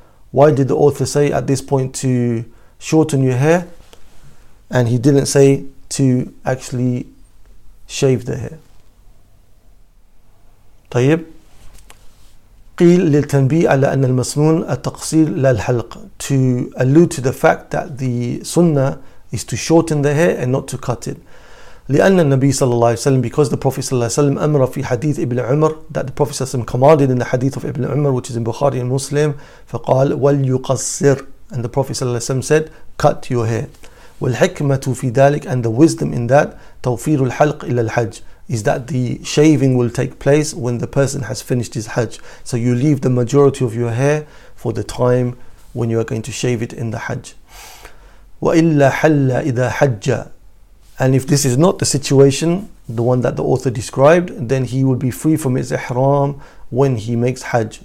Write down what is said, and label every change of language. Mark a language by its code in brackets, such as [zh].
[en] Why did the author say at this point to shorten your hair and he didn't say to actually shave the hair? طيب, [ar] قيل للتنبيء على أن المسنون التقصير للحلق, [en] to allude to the fact that the sunnah is to shorten the hair and not to cut it. [ar] لأن النبي [en] صلى الله عليه وسلم, because the Prophet صلى الله عليه وسلم [ar] أمر في حديث ابن عمر, [en] that the Prophet صلى الله عليه وسلم commanded in the hadith of ابن عمر, which is in Bukhari and Muslim, [ar] فقال وليقصر, [en] and the Prophet صلى الله عليه وسلم said cut your hair. [ar] والحكمة في ذلك, [en] and the wisdom in that, [ar] توفير الحلق إلى الحج, [en] is that the shaving will take place when the person has finished his hajj. So you leave the majority of your hair for the time when you are going to shave it in the hajj. [ar] وَإِلَّا حَلَّ إِذَا حَجَّ, [en] and if this is not the situation, the one that the author described, then he will be free from his ihram when he makes hajj.